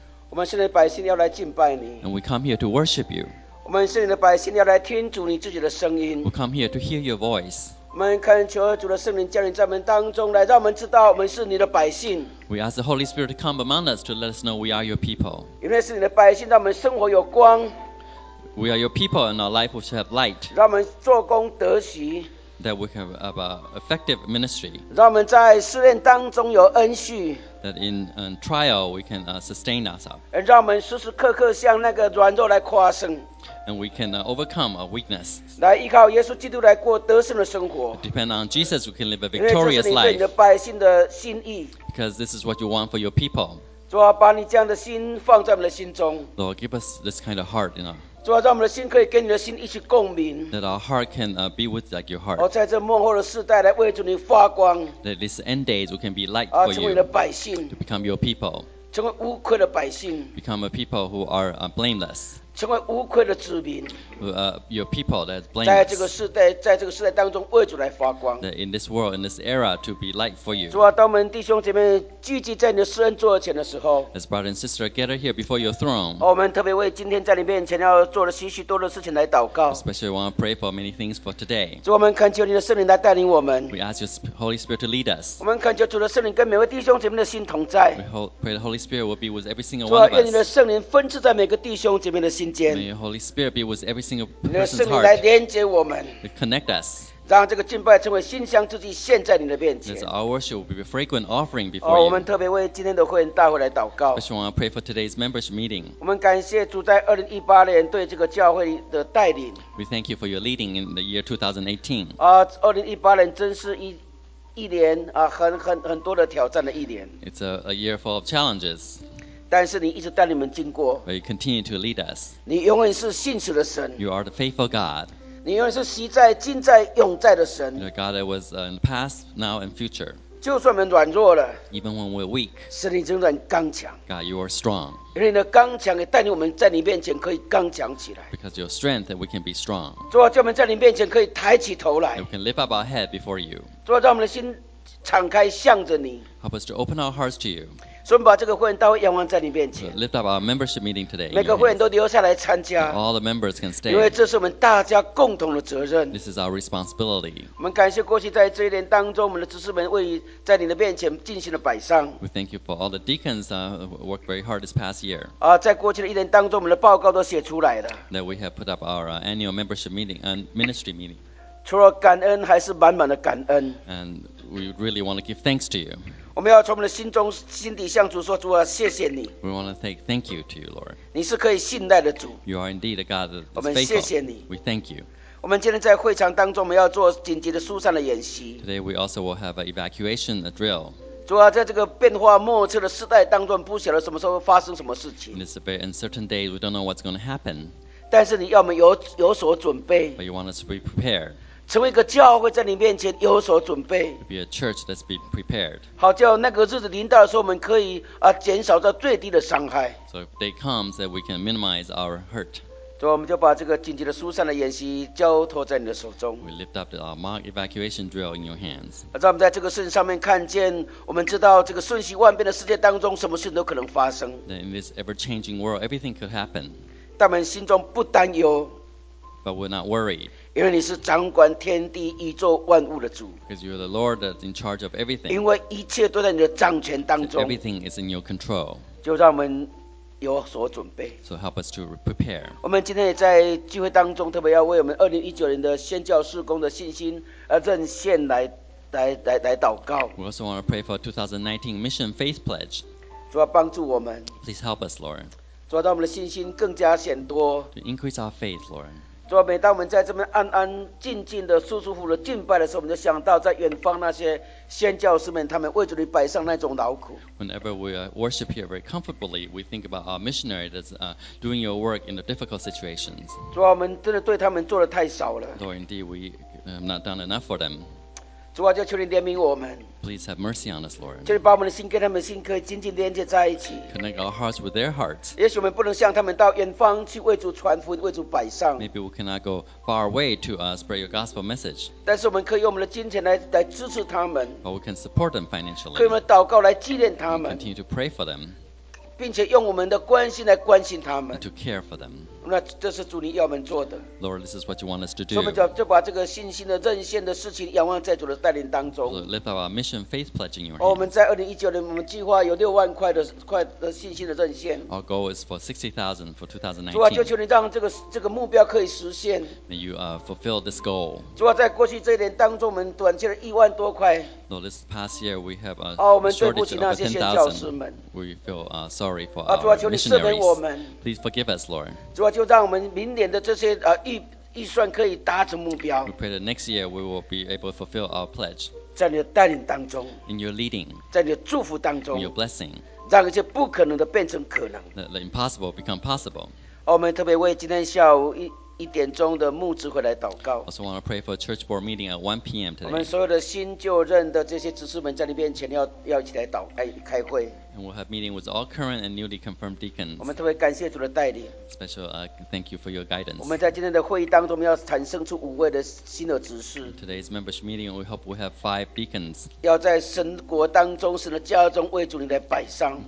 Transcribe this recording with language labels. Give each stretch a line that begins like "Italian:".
Chinese: 我们是你的百姓，要来敬拜你。
English: And we come here to worship you.
Chinese: 我们是你的百姓，要来听主你自己的声音。
English: We come here to hear your voice.
Chinese: 我们恳求主的圣灵降临在我们当中，来让我们知道我们是你的百姓。
English: We ask the Holy Spirit to come among us to let us know we are your people.
Chinese: 因为是你的百姓，让我们生活有光。
English: We are your people, and our life will have light.
Chinese: 让我们做工得喜。
English: That we can have an effective ministry.
Chinese: 让我们在试炼当中有恩恤。
English: That in trial we can sustain ourselves.
Chinese: 让我们时时刻刻向那个软弱来夸胜。
English: And we can overcome our weakness.
Chinese: 来依靠耶稣基督来过得胜的生活。
English: Depend on Jesus, we can live a victorious life.
Chinese: 因为这是你对你的百姓的心意。
English: Because this is what you want for your people.
Chinese: 主啊，把你这样的心放在我们的心中。
English: Lord, give us this kind of heart, you know.
Chinese: 主啊，让我们的心可以跟你的心一起共鸣。
English: That our heart can be with like your heart.
Chinese: 在这末后的世代来为主你发光。
English: That this end days we can be light for you.
Chinese: 成为你的百姓。
English: To become your people.
Chinese: 成为无愧的百姓。
English: Become a people who are blameless.
Chinese: 成为无愧的子民。
English: Your people that's blameless.
Chinese: 在这个世代当中为主来发光。
English: That in this world, in this era, to be light for you.
Chinese: 主啊，当我们弟兄姐妹聚集在你的施恩座前的时候，
English: as brother and sister gather here before your throne，
Chinese: 我们特别为今天在你面前要做的许许多的事情来祷告。
English: Especially we want to pray for many things for today。
Chinese: 主，我们恳求你的圣灵来带领我们。
English: We ask your Holy Spirit to lead us。
Chinese: 我们恳求主的圣灵跟每位弟兄姐妹的心同在。
English: We pray the Holy Spirit will be with every single one of us。
Chinese: 主啊，愿你的圣灵分赐在每个弟兄姐妹的心间。
English: May your Holy Spirit be with every single person's heart。
Chinese: 你的圣灵来连接我们。
English: Connect us。
Chinese: 让这个敬拜成为馨香之祭献在你的面前。
English: That our worship will be a frequent offering before you.
Chinese: 我们特别为今天的会员大会来祷告。
English: Especially want to pray for today's membership meeting.
Chinese: 我们感谢主在2018年对这个教会的带领。
English: We thank you for your leading in the year 2018.
Chinese: 2018年真是一年很多的挑战的一年。
English: It's a year full of challenges.
Chinese: 但是你一直带你们经过。
English: But you continue to lead us.
Chinese: 你永远是信实的神。
English: You are the faithful God.
Chinese: 你永远是昔在、今在、永在的神。
English: You're a God that was in the past, now, and future.
Chinese: 就算我们软弱了。
English: Even when we're weak.
Chinese: 神你仍然刚强。
English: God, you are strong.
Chinese: 因为你的刚强也带领我们在你面前可以刚强起来。
English: Because your strength, we can be strong.
Chinese: 主啊，叫我们在你面前可以抬起头来。
English: We can lift up our head before you.
Chinese: 主啊，让我们的心敞开向着你。
English: Help us to open our hearts to you.
Chinese: 所以我们把这个会员大会仰望在你面前。
English: Lift up our membership meeting today.
Chinese: 每个会员都留下来参加。
English: All the members can stay.
Chinese: 因为这是我们大家共同的责任。
English: This is our responsibility.
Chinese: 我们感谢过去在这一年当中，我们的执事们为在你的面前进行了摆上。
English: We thank you for all the deacons worked very hard this past year.
Chinese: 在过去的一年当中，我们的报告都写出来了。
English: That we have put up our annual membership meeting and ministry meeting.
Chinese: 除了感恩，还是满满的感恩。
English: And we really want to give thanks to you.
Chinese: 我们要从我们的心中心底向主说主啊谢谢你
English: We want to say thank you to you Lord
Chinese: 你是可以信赖的主
English: You are indeed a God that is faithful
Chinese: 我们谢谢你
English: We thank you
Chinese: 我们今天在会场当中我们要做紧急的疏散的演习
English: Today we also will have an evacuation a drill
Chinese: 主啊在这个变化莫测的时代当中不晓得什么时候发生什么事情
English: It's a very uncertain day we don't know what's going to happen
Chinese: 但是你要我们 有所准备
English: But you want us to be prepared
Chinese: 成为一个教会在你面前有所准备
English: be a church that's be prepared.
Chinese: 好叫那个日子临到的时候我们可以、减少到最低的伤害
English: So if day comes that we can minimize our hurt
Chinese: 所以我们就把这个紧急的疏散的演习交托在你的手中
English: We lift up our mock evacuation drill in your hands
Chinese: 让我们在这个事情上面看见我们知道这个瞬息万变的世界当中什么事都可能发生
English: that in this ever changing world everything could happen
Chinese: 但我们心中不担忧
English: But we're not worried
Chinese: 因为你是掌管天地宇宙万物的主
English: Because you're the Lord that's in charge of everything
Chinese: 因为一切都在你的掌权当中
English: Everything is in your control
Chinese: 就让我们有所准备
English: So help us to prepare
Chinese: 我们今天也在聚会当中特别要为我们2019年的宣教事工的信心任现 来祷告
English: We also want to pray for 2019 Mission Faith Pledge
Chinese: 主要帮助我们
English: Please help us Lord
Chinese: 主要让我们的信心更加显多
English: To increase our faith Lord
Chinese: 主啊，每当我们在这边安安静静的、舒舒服服的敬拜的时候，我们就想到在远方那些宣教师们，他们为主你摆上那种劳苦。
English: Whenever we worship here very comfortably, we think about our missionary that's doing your work in the difficult situations.
Chinese: 主啊，我们真的对他们做的太少了。
English: Lord, indeed, we have not done enough for them.
Chinese: 主啊，就求你怜悯我们。
English: Please have mercy on us, Lord.
Chinese: 求你把我们的心跟他们的心可以紧紧连接在一起。
English: Connect our hearts with their hearts.
Chinese: 也许我们不能向他们到远方去为主传福音，为主摆上。
English: Maybe we cannot go far away to spread your gospel message.
Chinese: 但是我们可以用我们的金钱来支持他们。
English: But we can support them financially.
Chinese: 可以用我们的祷告来纪念他们。
English: Continue to pray for them.
Chinese: 并且用我们的关心来关心他们。
English: And to care for them.
Chinese: 那这是主你要我们做的。
English: Lord, this is what you want us to do.
Chinese: 所以我们就把这个信心的任现的事情仰望在主的带领当中。
English: Lord, lift up our mission faith pledge in your hands.
Chinese: 我们在2019年，我们计划有6万块的信心的任现。
English: Our goal is for 60,000 for 2019.
Chinese: 主啊，就求你让这个目标可以实现。
English: May you fulfill this goal.
Chinese: 主啊，在过去这一年当中，我们短缺了10,000多块。
English: Lord, this past year we have a shortage of 10,000.
Chinese: 我们对不起那些宣教师们。
English: We feel sorry for our
Chinese: 主啊，求你赦免我们。
English: Please forgive us, Lord.
Chinese: 主啊。就让我们明年的这些预算可以达成目标。
English: We pray that next year we will be able to fulfill our pledge.
Chinese: 在你的带领当中。
English: In your leading.
Chinese: 在你的祝福当中。
English: In your blessing.
Chinese: 让一切不可能的变成可能。
English: The impossible become possible.
Chinese: 我们特别为今天下午1点钟的牧职会来祷告。
English: Also want to pray for a church board meeting at 1 p.m. today.
Chinese: 我们所有的新就任的这些执事们在你面前要一起来开会。
English: And we'll have meeting with all current and newly confirmed deacons.
Chinese: 我们特别感谢主的带领。
English: Special thank you for your guidance.
Chinese: 我们在今天的会议当中要产生出5位的新的执事。
English: Today's membership meeting, we hope we have 5 deacons.
Chinese: 要在神国当中、神的家中为主你来摆上。